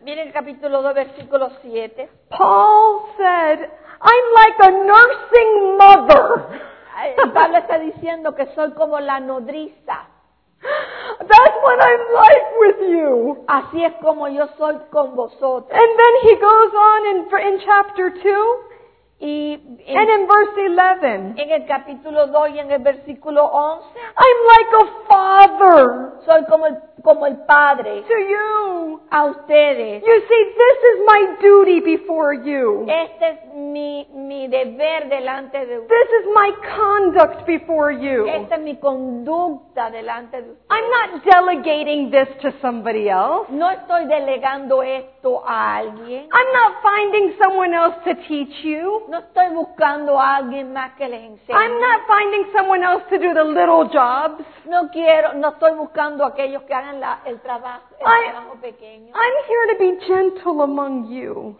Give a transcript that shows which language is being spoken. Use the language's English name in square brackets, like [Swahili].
[Spanish] Mira el capítulo 2, versículo 7. [English] Paul said, I'm like a nursing mother. [Spanish] Pablo está diciendo que soy como la nodriza. [English] That's what I'm like with you. [Spanish] Así es como yo soy con vosotros. [English] And then he goes on in chapter 2. And in verse 11, [Spanish] en el capítulo 2 y en el versículo 11, [English] I'm like a father. [Spanish] Soy como el padre. [English] To you. [Spanish] A ustedes. [English] You see, this is my duty before you. [Spanish] Este es mi deber delante de ustedes. [English] This is my conduct before you. [Spanish] Esta es mi conducta delante de ustedes. [English] I'm not delegating this to somebody else. [Spanish] No estoy delegando esto a alguien. [English] I'm not finding someone else to teach you. [Spanish] No estoy buscando a alguien más que les enseñe. [English] I'm not finding someone else to do the little jobs. [Spanish] No estoy buscando a aquellos que hagan el trabajo pequeño. [English] I'm here to be gentle among you.